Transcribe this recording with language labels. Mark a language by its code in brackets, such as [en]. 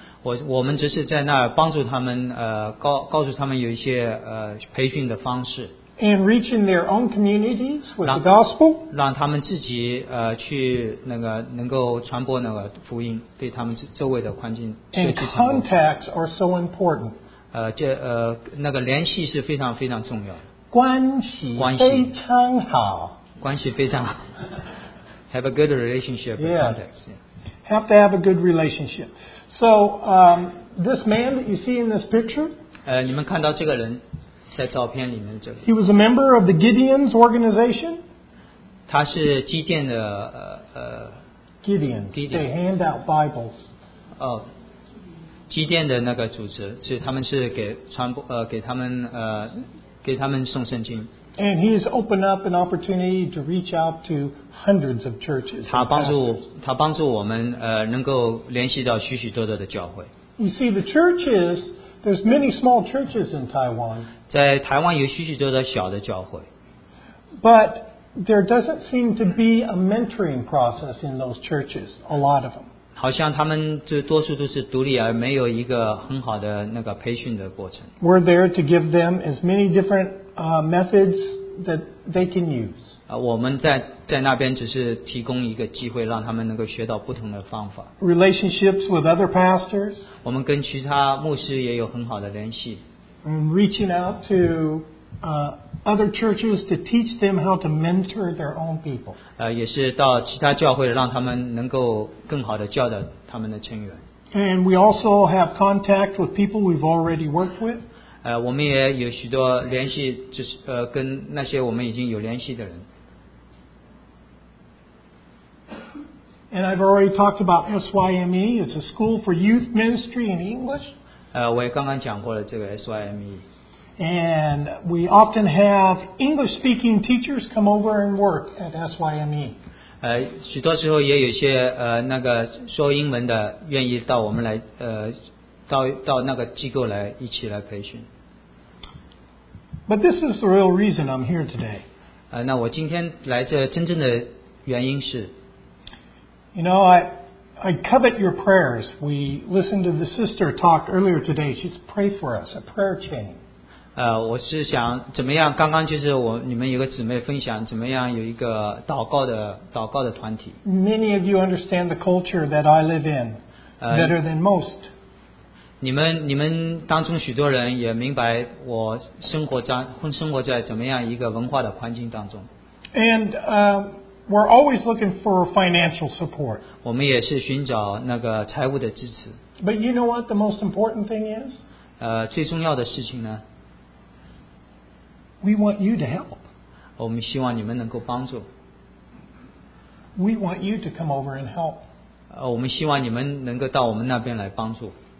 [zh] 我们只是在那儿帮助他们告诉他们有一些培训的方式。 [en] And reaching their own communities with the gospel. [zh] 让他们自己去那个能够传播那个福音对他们周围的环境。 [en] And contacts are so important. [zh] 那个联系是非常非常重要的。关系非常好。关系非常好。 [en] Have a good relationship with contacts. Have to have a good relationship. So, this man that you see in this picture, [zh] 你们看到这个人在照片里面这里。 [en] He was a member of the Gideon's organization. [zh] 他是基甸的 [en] Gideon's. They hand out Bibles. [zh] 基甸的那个组织，所以他们是给传播给他们送圣经。 [en] And he's opened up an opportunity to reach out to hundreds of churches. [zh] 他帮助我们能够联系到许许多多的教会。 [en] You see, the churches, there's many small churches in Taiwan. [zh] 在台湾有许许多多小的教会。 [en] But there doesn't seem to be a mentoring process in those churches, a lot of them. [zh] 好像他们这多数都是独立而没有一个很好的那个培训的过程。 [en] We're there to give them as many different methods that they can use. [zh] 我们在那边只是提供一个机会让他们能够学到不同的方法。 [en] Relationships with other pastors. [zh] 我们跟其他牧师也有很好的联系。 [en] Reaching out to other churches to teach them how to mentor their own people. [zh] 也是到其他教会让他们能够更好的教导他们的成员。 [en] And we also have contact with people we've already worked with. [zh] 我们也有许多联系，就是跟那些我们已经有联系的人。 [en] And I've already talked about SYME. It's a school for youth ministry in English. [zh] 我也刚刚讲过了这个 SYME。 [en] And we often have English-speaking teachers come over and work at SYME. [zh] 许多时候也有些那个说英文的愿意到我们来到那个机构来一起来培训。 [en] But this is the real reason I'm here today. [zh] 那我今天来这真正的原因是。 [en] You know, I covet your prayers. We listened to the sister talk earlier today. She's pray for us, a prayer chain. [zh] 我是想怎么样？刚刚就是你们有个姊妹分享怎么样有一个祷告的团体。 [en] Many of you understand the culture that I live in better than most. [zh] 你们当中许多人也明白我生活在怎么样一个文化的环境当中。 [en] And we're always looking for financial support. [zh] 我们也是寻找那个财务的支持。 [en] But you know what the most important thing is? [zh] 最重要的事情呢？ [en] We want you to help. [zh] 我们希望你们能够帮助。 [en] We want you to come over and help. [zh] 我们希望你们能够到我们那边来帮助。